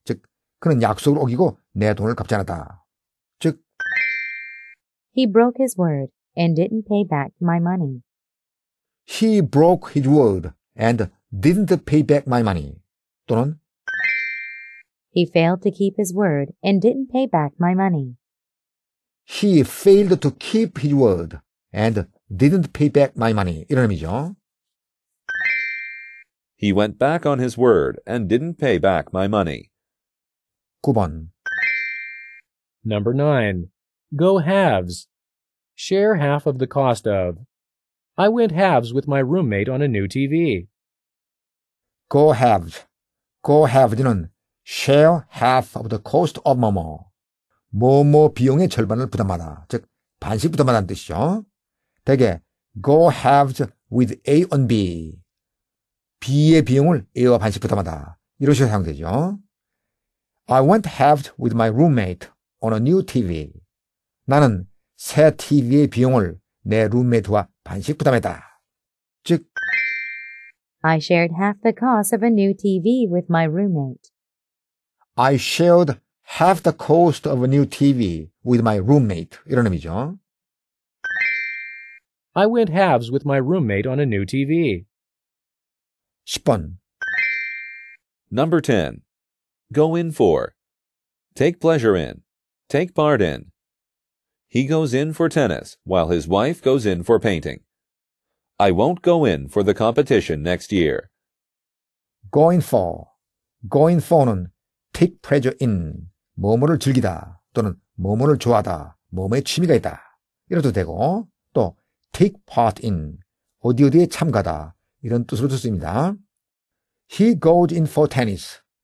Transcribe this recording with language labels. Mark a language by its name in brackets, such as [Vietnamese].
[Korean] 즉, 그는 약속을 어기고 내 돈을 갚지 않았다. 즉, [English] He broke his word and didn't pay back my money. He broke his word and didn't pay back my money. [Korean] 또는 [English] He failed to keep his word and didn't pay back my money. He failed to keep his word and didn't pay back my money. [Korean] 이런 의미죠. [English] He went back on his word and didn't pay back my money. [Korean] 9번 [English] Number 9. Go halves. Share half of the cost of. I went halves with my roommate on a new TV. Go halves. Go halves는 share half of the cost of [Korean] 뭐뭐. 뭐뭐 비용의 절반을 부담하다. 즉, 반씩 부담하다는 뜻이죠. 대개 [English] go halves with A on B. [Korean] B의 비용을 A와 반씩 부담하다. 이러셔서 사용되죠. [English] I went halves with my roommate on a new TV. [Korean] 나는 새 TV의 비용을 내 룸메이트와 반씩 부담했다. 즉, [English] I shared half the cost of a new TV with my roommate. I shared half the cost of a new TV with my roommate. [Korean] 이런 의미죠. [English] I went halves with my roommate on a new TV. [Korean] 10번 [English] Number 10. Go in for. Take pleasure in. Take part in. He goes in for tennis, while his wife goes in for painting. I won't go in for the competition next year. Going for. Going for는 take pleasure in. [Korean] 뭐뭐를 즐기다, 또는 뭐뭐를 좋아하다, 뭐뭐에 취미가 있다. 이래도 되고, 또 [English] take part in. [Korean] 어디 어디에 참가다, 이런 뜻으로도 씁니다. [English] He goes in for tennis.